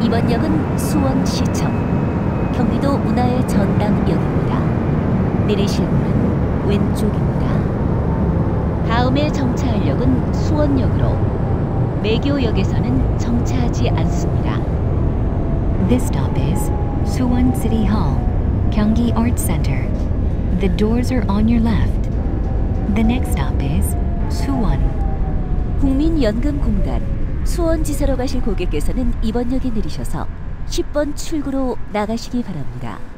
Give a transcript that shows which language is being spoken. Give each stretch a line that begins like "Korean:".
Korean: 역은 수원시청, 경기도 문화의 전당역입니다. 내리실 문은 왼쪽입니다. 다음에 정차할 역은 수원역으로 매교역에서는 정차하지 않습니다.
English: This stop is Suwon City Hall, Gyeonggi Arts Center. The doors are on your left. The next stop is Suwon.
Korean: 국민연금공단 수원지사로 가실 고객께서는 이번 역에 내리셔서 10번 출구로 나가시기 바랍니다.